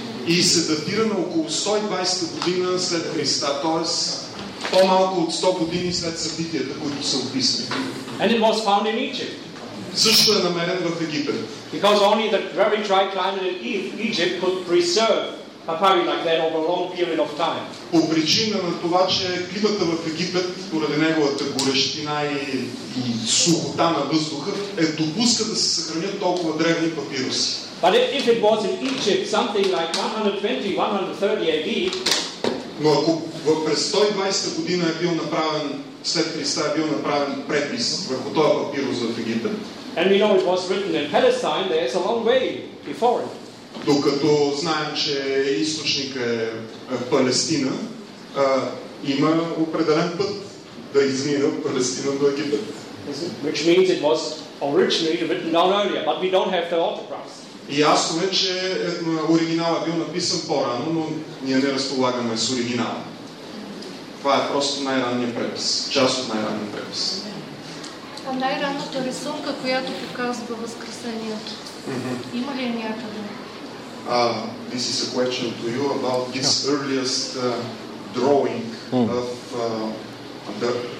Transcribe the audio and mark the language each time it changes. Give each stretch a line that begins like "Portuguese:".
Bulgarian: И се датира на около 120 година след Христа, т.е. по-малко от 100 години след събитията, които са описани.
English: And it was found in Egypt.
Bulgarian: Също е намерен в Египет.
English: Because only the very dry climate in Egypt could preserve papyri like that over a long period of time.
Bulgarian: По причина на това, че климата в Египет, поради неговата горещина и сухота на въздуха, е допуска да се съхранят толкова древни папируси.
English: But if it was in Egypt, something like 120-130 AD.
Bulgarian: Но ако през 120 година е бил направен, след Христа е бил направен препис върху този папирус в Египет.
English: And we know it was written in Palestine, there is a long way before it.
Bulgarian: Докато знаем, че източника е в Палестина, има определен път да измина от Палестина до Египет.
English: Which means it was originally written down earlier, but we don't have the autographs.
Bulgarian: Ясно е, че оригиналът бил написан по-рано, но ние не разполагаме с оригинала. Това е просто най-ранният препис, част от най-ранният препис. А най-ранната рисунка, която показва Възкресението, има ли някъде?
English: This is a question to you about this earliest drawing of the...